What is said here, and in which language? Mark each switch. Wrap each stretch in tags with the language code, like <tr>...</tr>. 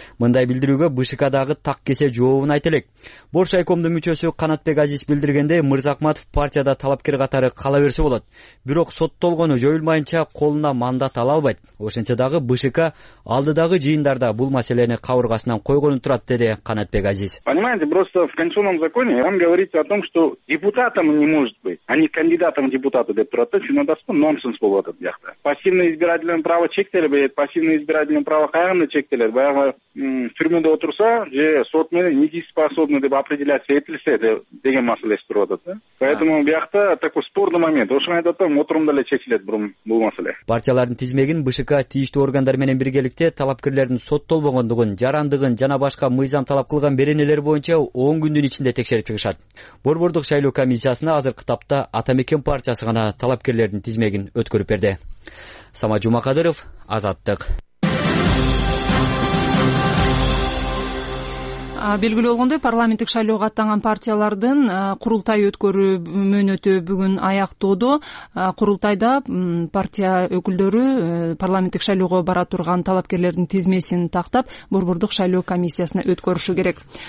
<ky>Мындай билдирүүгө БШКдагы так кесе жообун айта элек. Борш райкомдун мүчөсү Канатбек Азиз билдиргендей, Мырзакматов партияда талапкер катары кала берсе болот. Бирок соттолгону жоюлмайынча колуна мандат ала албайт. Ошентсе дагы БШК алдыдагы жыйындарда бул маселени кабыргасынан койгонун турат, деди Канатбек Азиз.</ky> <ru>Понимаете, просто в конституционном законе вам говорится о том, что депутатом не может быть, а не кандидатом депутата,</ru> <ky>деп турат. Чын эле дагы нонсенс болот</ky> <ru>этот</ru> <ky>жакта.</ky> <ru>Пассивное избирательное право</ru> <ky>чектелбейт,</ky> <ru>пассивное избирательное право</ru> <ky>кайганда чектелет. Баягы түрмөдө отурса же сот менен</ky> <ru>недееспособный</ru> <ky>деп</ky> <ru>определяться</ru> <ky>этилсе деген маселеси туруп атат.</ky> <ru>Поэтому</ru> <ky>биякта</ky> <ru>такой спорный момент.</ru> <ky>Ошону айтып атам, отурумда эле чечилет бул маселе. Партиялардын тизмегин БШК тийиштүү органдар менен биргеликте талапкерлердин соттолбогондугун, жарандыгын жана башка мыйзам талап кылган беренелер боюнча 10 күндүн ичинде текшерип чыгышат. Борбордук шайлоо комиссиясына азыркы тапта Ата Мекен партиясы гана талапкерлердин тизмегин өткөрүп берди. Самат Жумакадыров, Азаттык. Белгилүү болгондой, парламенттик шайлоого аттанган партиялардын курултай өткөрүү мөөнөтү бүгүн аяктоодо. Курултайда партия өкүлдөрү парламенттик шайлоого бара турган талапкерлердин тизмесин тактап, борбордук шайлоо комиссиясына өткөрүшү керек.</ky>